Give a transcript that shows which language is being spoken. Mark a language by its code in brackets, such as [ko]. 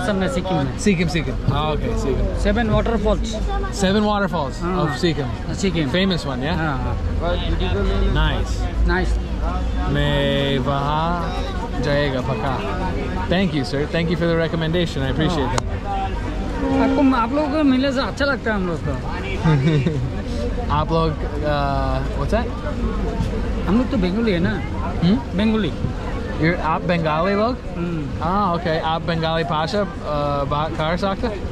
[hi] Assam में Sikkim में. [en] Sikkim. Okay, Sikkim. 7 waterfalls. 7 waterfalls of Sikkim. Sikkim. Famous one, yeah. [hi] हाँ. Nice. मैं वहाँ जाएगा पक्का. [en] Thank you, sir. Thank you for the recommendation. I appreciate that. [hi] आपको आप लोगों को मिलने से अच्छा लगता है हम लोग को. आप लोग [en] what's that? [hi] हम लोग तो बंगाली है ना. बंगाली. [en] You're [hi] आप बंगाली लोग? Hmm. [en] Okay. [hi] आप बंगाली पाशा बात कर सकते?